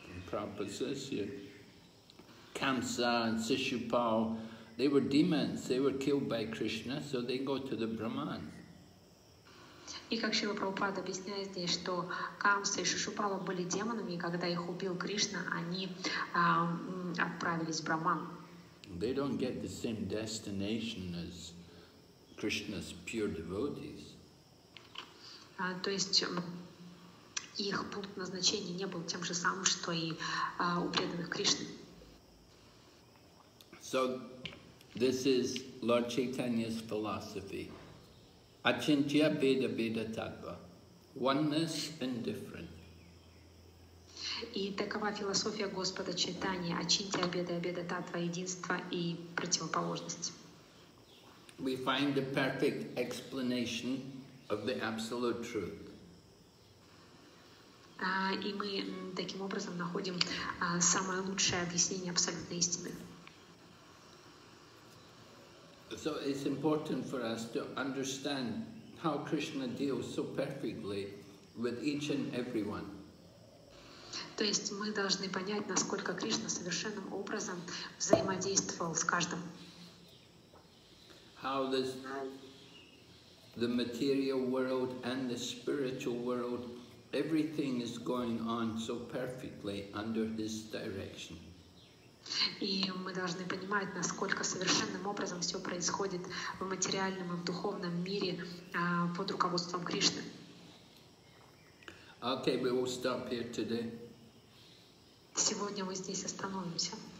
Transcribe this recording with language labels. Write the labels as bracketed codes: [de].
[en] Prabhupada says here, Kamsa and Sishupal, they were demons, they were killed by Krishna, so they go to the Brahman. [ru] И как Шрила Прабхупада объясняет здесь, что Камса и Шишупала были демонами, и когда их убил Кришна, они отправились в Брахман. [en] They don't get the same destination as Krishna's pure devotees. [ru] То есть их пункт назначения не был тем же самым, что и у преданных Кришны. [en] So this is Lord Chaitanya's philosophy. Achintya Veda Veda Tattva. Oneness and different. [ru] И такова философия Господа Чайтаньи. Ачинтья Беда Беда Таттва. Единство и противоположность. [en] We find the perfect explanation of the absolute truth. [ru] И мы таким образом находим самое лучшее объяснение абсолютной истины. [en] So it's important for us to understand how Krishna deals so perfectly with each and every one. [ru] То есть мы должны понять, насколько Кришна совершенным образом взаимодействовал с каждым. [en] How does the material world and the spiritual world, everything is going on so perfectly under his direction. [ru] И мы должны понимать, насколько совершенным образом все происходит в материальном и в духовном мире под руководством Кришны. [en] Okay, we will stop here today. [ru] Сегодня мы здесь остановимся.